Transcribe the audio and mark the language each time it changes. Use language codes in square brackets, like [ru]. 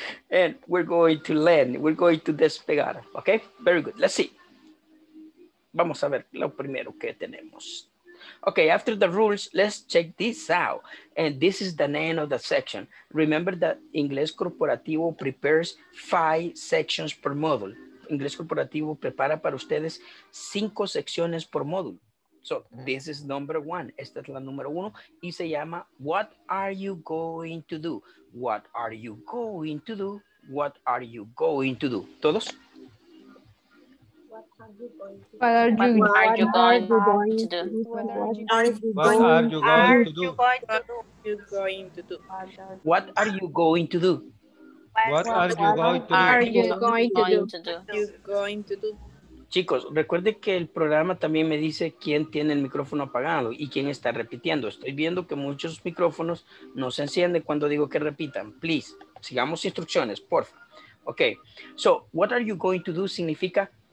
[en] And we're going to land. We're going to despegar. Okay? Very good. Let's see. [es] vamos a ver lo primero que tenemos. [en] Okay, after the rules, let's check this out. And this is the name of the section. Remember that Inglés Corporativo prepares 5 sections per module. [es] Inglés Corporativo prepara para ustedes 5 secciones por módulo. [en] So this is number one. [es] Esta es la número uno. Y se llama, [en] what are you going to do? What are you going to do? What are you going to do? ¿Todos? What are you going to do? What are you going to do? What are you going to do? What are you going to do? What are you going to do? What are you going to do? [es] Chicos, recuerde que el programa también me dice quién tiene el micrófono apagado y quién está repitiendo. Estoy viendo que muchos micrófonos no se encienden cuando digo que repitan. Please, sigamos instrucciones, por favor. Okay. So, [en] what are you going to do [es] significa...